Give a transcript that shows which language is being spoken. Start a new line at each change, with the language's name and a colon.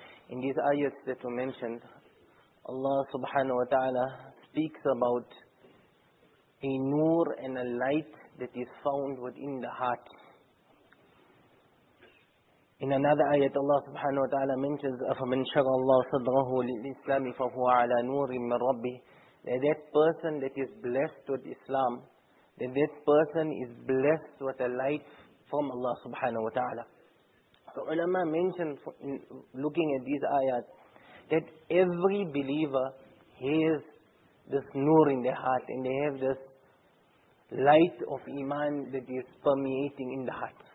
English: In these ayats that were mentioned, Allah subhanahu wa ta'ala speaks about a nur and a light that is found within the heart. In another ayat, Allah subhanahu wa ta'ala mentions,
Arabic: أَفَمَنْ شَرَى اللَّهُ صَدْرَهُ لِلْإِسْلَامِ فَهُوَ عَلَى نُورٍ مِّنْ رَبِّهِ.
English: That person that is blessed with Islam, that person is blessed with a light from Allah subhanahu wa ta'ala. So ulama mentioned, looking at these ayats, that every believer hears this nur in their heart, and they have this light of iman that is permeating in the heart.